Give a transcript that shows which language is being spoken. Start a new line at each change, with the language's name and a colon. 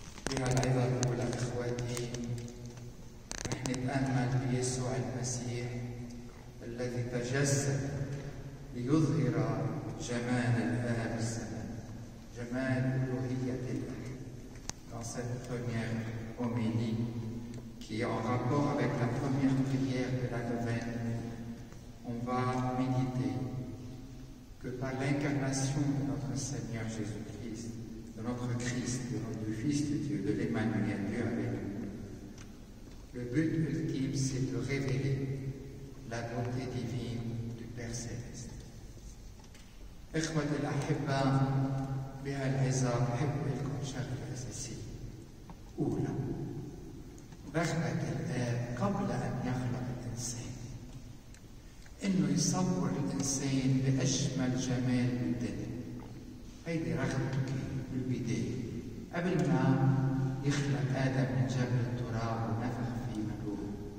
Arabic: أيها العظة الأولى إخوتي، نحن نتأمل في يسوع المسيح الذي تجسد ليظهر جمال الآب السماوي، جمال ألوهية الآب.
French: Dans cette première homélie, qui est en rapport avec la première prière de la Novène, on va méditer que par l'incarnation de notre Seigneur Jésus-Christ, de notre Christ, du Fils de Dieu, de l'Emmanuel, Dieu avec nous, le but ultime, c'est de révéler la bonté divine du Père Céleste.
Arabic: إخوة الأحباء بهالعزة أحب لكم شغلة أساسية. أولى رغبة الآب قبل أن يخلق الإنسان إنه يصور الإنسان بأجمل جمال الدنيا، هيدي رغبته بالبداية قبل ما يخلق آدم من جبل التراب ونفخ فيه من روحه.